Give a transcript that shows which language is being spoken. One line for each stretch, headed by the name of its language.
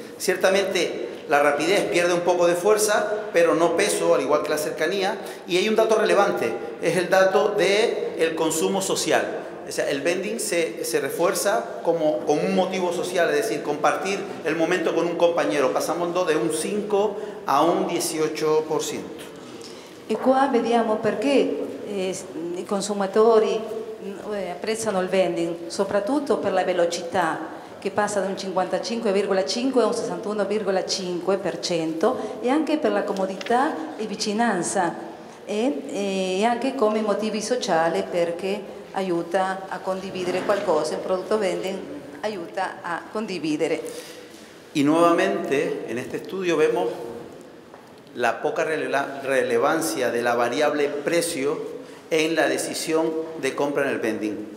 Spanish: Ciertamente, la rapidez pierde un poco de fuerza, pero no peso, al igual que la cercanía. Y hay un dato relevante, es el dato del consumo social. O sea, el vending se refuerza como un motivo social, es decir, compartir el momento con un compañero. Pasamos de un 5 a un 18%.
Italian: Y qua vediamo perché i consumatori apprezzano il vending, soprattutto per la velocità, che passa da un 55,5 a un 61,5%, e anche per la comodità e vicinanza, e anche come motivi sociali, perché aiuta a condividere qualcosa, un prodotto vending aiuta a condividere.
Spanish: Y nuevamente en este estudio vemos la poca relevancia de la variable precio en la decisión de compra en el vending.